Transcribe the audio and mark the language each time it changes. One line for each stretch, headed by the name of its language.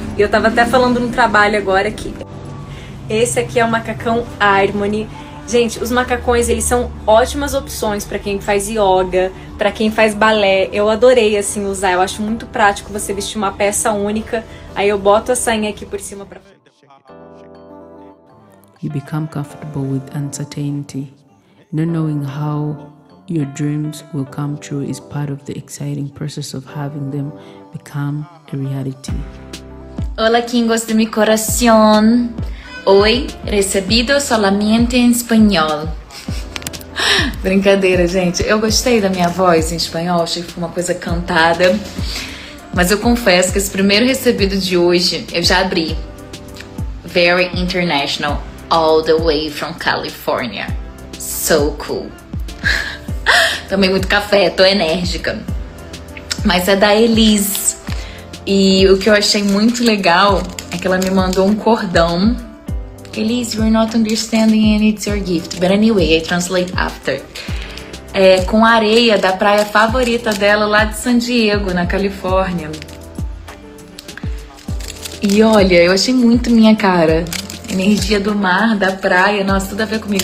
Portuguese: E eu tava até falando no trabalho agora aqui. Esse aqui é o macacão Harmony. Gente, os macacões, eles são ótimas opções pra quem faz yoga, pra quem faz balé. Eu adorei, assim, usar. Eu acho muito prático você vestir uma peça única. Aí eu boto a sainha aqui por cima pra...
English: You become comfortable with uncertainty. Not knowing how your dreams will come true is part of the exciting process of having them become a reality.
Spanish: Hola, kingos de mi corazón.
Portuguese: Oi, recebido solamente em espanhol. Brincadeira, gente. Eu gostei da minha voz em espanhol, achei que foi uma coisa cantada. Mas eu confesso que esse primeiro recebido de hoje, eu já abri.
English: Very international, all the way from California. So cool.
Portuguese: Tomei muito café, tô enérgica. Mas é da Elise. E o que eu achei muito legal é que ela me mandou um cordão.
English: Elise, you're not understanding and it's your gift. But anyway, I translate after.
Portuguese: É, com areia da praia favorita dela lá de San Diego, na Califórnia. E olha, eu achei muito minha cara. Energia do mar, da praia, nossa, tudo a ver comigo.